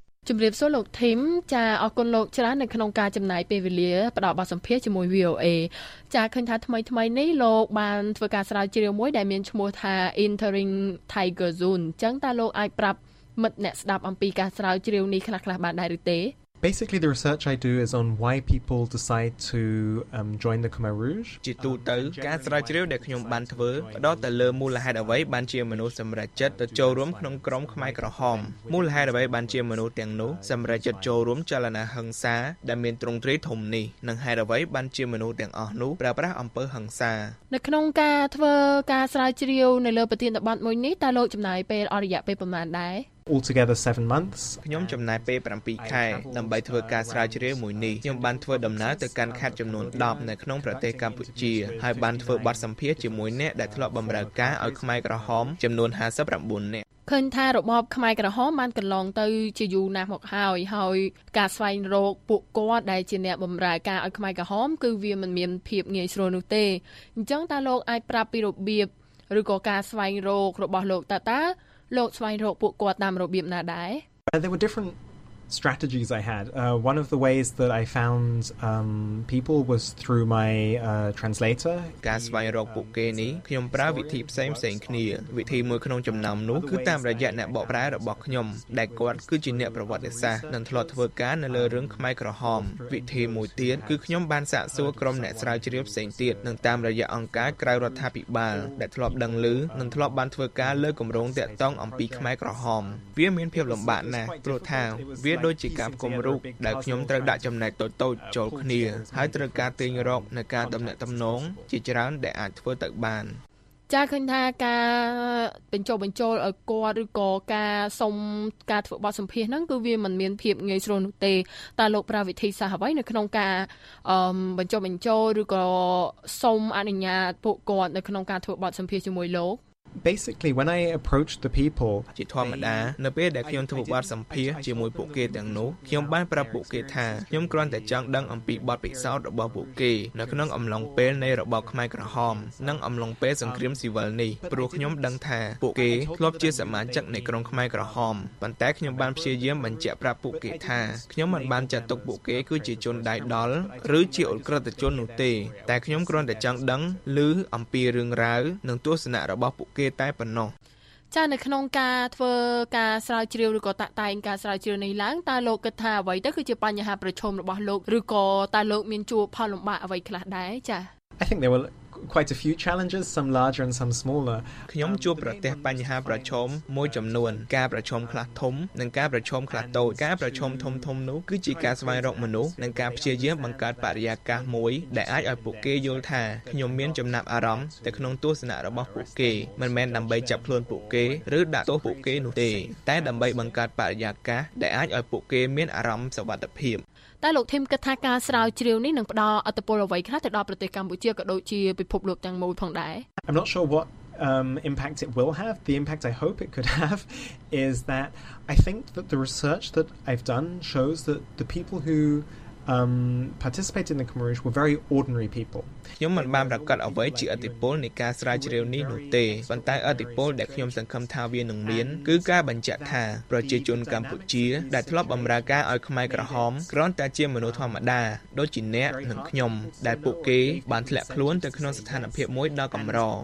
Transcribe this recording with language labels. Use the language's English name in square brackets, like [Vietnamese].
[Khmer] ជំរាបសួរលោកធីមចាអរគុណលោកច្រើននៅក្នុងការចំណាយពេលវេលាផ្ដល់បទសម្ភាសជាមួយ VOA ចាឃើញថាថ្មីៗនេះលោកបានធ្វើការស្រាវជ្រាវមួយដែលមានឈ្មោះថា Entering Tiger Zone ចឹងតើលោកអាចប្រាប់មិត្តអ្នកស្ដាប់អំពីការស្រាវជ្រាវនេះខ្លះៗបានដែរឬទេ [English] Basically the research I do is on why people decide to join the Khmer Rouge [Khmer] ជាទូទៅការស្រាវជ្រាវដែលខ្ញុំបានធ្វើផ្ដោតទៅលើមូលហេតុអ្វីបានជាមនុស្សសម្រេចចិត្តទៅចូលរួមក្នុងក្រុមខ្មែរក្រហមមូលហេតុអ្វីបានជាមនុស្សទាំងនោះសម្រេចចិត្តចូលរួមចលនាហិង្សាដែលមានទ្រង់ទ្រាយធំនេះនិងហេតុអ្វីបានជាមនុស្សទាំងអស់នោះប្រើប្រាស់អំពើហិង្សានៅក្នុងការធ្វើការស្រាវជ្រាវនៅលើប្រធានបទមួយនេះតើលោកចំណាយពេលអស់រយៈពេលប្រមាណដែរ [English] Altogether 7 months [Khmer] ខ្ញុំចំណាយពេល7ខែដើម្បីធ្វើការស្រាវជ្រាវមួយនេះខ្ញុំបានធ្វើដំណើរទៅកាន់ខេត្តចំនួន10នៅក្នុងប្រទេសកម្ពុជាហើយបានធ្វើបទសម្ភាសជាមួយអ្នកដែលធ្លាប់បម្រើការឲ្យខ្មែរក្រហមចំនួន59នាក់ ឃើញថារបបខ្មែរក្រហមបានកន្លងទៅជាយូរណាស់មកហើយហើយការស្វែងរកពួកគាត់ដែលជាអ្នកបម្រើការឲ្យខ្មែរក្រហមគឺវាមិនមានភាពងាយស្រួលនោះទេអញ្ចឹងតើលោកអាចប្រាប់ពីរបៀបឬក៏ការស្វែងរករបស់លោកតើលោកស្វែងរកពួកគាត់តាមរបៀបណាដែរ [English] There were different strategies I had. One of the ways that I found people was through my translator. [Khmer] ការស្វែងរកពួកគេនេះខ្ញុំប្រើវិធីផ្សេងផ្សេងគ្នាវិធីមួយក្នុងចំណោមនោះគឺតាមរយៈអ្នកបកប្រែរបស់ខ្ញុំដែលគាត់គឺជាអ្នកប្រវត្តិសាស្ត្រនិងធ្លាប់ធ្វើការនៅលើរឿងខ្មែរក្រហមវិធីមួយទៀតគឺខ្ញុំបានសាកសួរក្រុមអ្នកស្រាវជ្រាវផ្សេងទៀតនឹងតាមរយៈអង្គការក្រៅរដ្ឋាភិបាលដែលធ្លាប់ដឹងឮ និងធ្លាប់បានធ្វើការលើគម្រោងតាក់ទងអំពីខ្មែរក្រហមវាមានភាពលំបាកណាស់ព្រោះថាវាដូចជាការផ្គុំរូបដែលខ្ញុំត្រូវដាក់ចំណែកតូចៗចូលគ្នាហើយត្រូវការទាញរកនៃការដំណាក់ដំណងជាច្រើនដែលអាចធ្វើទៅបាន ចាឃើញថាការបញ្ចុះបញ្ចូលឲ្យគាត់ឬក៏ការសុំការធ្វើបទសម្ភាសហ្នឹងគឺវាមិនមានភាពងាយស្រួលនោះទេតើលោកប្រាវិធីសាស្ត្រអ្វីនៅក្នុងការបញ្ចុះបញ្ចូលឬក៏សុំអនុញ្ញាតពួកគាត់នៅក្នុងការធ្វើបទសម្ភាសជាមួយលោក [English] Basically when I approached the people [Khmer] ជាធម្មតានៅពេលដែលខ្ញុំធ្វើបទសម្ភាសជាមួយពួកគេទាំងនោះខ្ញុំបានប្រាប់ពួកគេថាខ្ញុំគ្រាន់តែចង់ដឹងអំពីបទពិសោធន៍របស់ពួកគេនៅក្នុងអំឡុងពេលនៃរបបខ្មែរក្រហមនិងអំឡុងពេលសង្គ្រាមស៊ីវិលនេះព្រោះខ្ញុំដឹងថាពួកគេធ្លាប់ជាសមាជិកនៃក្រុមខ្មែរក្រហមប៉ុន្តែខ្ញុំបានព្យាយាមបញ្ជាក់ប្រាប់ពួកគេថាខ្ញុំមិនបានចាត់ទុកពួកគេគឺជាជនដៃដល់ឬជាអូក្រិតជននោះទេតែខ្ញុំគ្រាន់តែចង់ដឹងឮអំពីរឿងរ៉ាវនិងទស្សនៈរបស់គេតែប៉ុណ្ណោះ ចានៅក្នុងការធ្វើការស្រាវជ្រាវឬក៏តាក់តែងការស្រាវជ្រាវនេះឡើងតើលោកគិតថាអ្វីទៅគឺជាបញ្ហាប្រឈមរបស់លោកឬក៏តើលោកមានជួបផលលំបាកអ្វីខ្លះដែរចា [English] I think there were quite a few challenges some larger and some smaller [Khmer] ខ្ញុំជួបប្រទះបញ្ហាប្រឈមមួយចំនួនការប្រឈមខ្លះធំនិងការប្រឈមខ្លះតូចការប្រឈមធំធំនោះគឺជាការស្វែងរកមនុស្សនិងការព្យាយាមបង្កើតបរិយាកាសមួយដែលអាចឲ្យពួកគេយល់ថាខ្ញុំមានចំណាប់អារម្មណ៍ទៅក្នុងទស្សនៈរបស់ពួកគេមិនមែនដើម្បីចាប់ខ្លួនពួកគេឬដាក់ទោសពួកគេនោះទេតែដើម្បីបង្កើតបរិយាកាសដែលអាចឲ្យពួកគេមានអារម្មណ៍សុវត្ថិភាព តើលោកធីមគិតថាការស្រាវជ្រាវនេះនឹងផ្ដល់ឥទ្ធិពលអ្វីខ្លះទៅដល់ប្រទេសកម្ពុជាក៏ដូចជាពិភពលោកទាំងមូលផងដែរ [English] I'm not sure what impact it will have the impact I hope it could have is that I think that the research that I've done shows that the people whoparticipated in the Cambridge were very ordinary people [Khmer] ខ្ញុំមិនបានប្រកាសអ្វីជាឥទ្ធិពលនៃការស្រាវជ្រាវនេះនោះទេប៉ុន្តែឥទ្ធិពលដែលខ្ញុំសង្ឃឹមថាវានឹងមានគឺការបញ្ជាក់ថាប្រជាជនកម្ពុជាដែលធ្លាប់បម្រើការឲ្យខ្មែរក្រហមគ្រាន់តែជាមនុស្សធម្មតាដូចជាអ្នកនិងខ្ញុំដែលពួកគេបានធ្លាក់ខ្លួនទៅក្នុងស្ថានភាពមួយដ៏កម្រ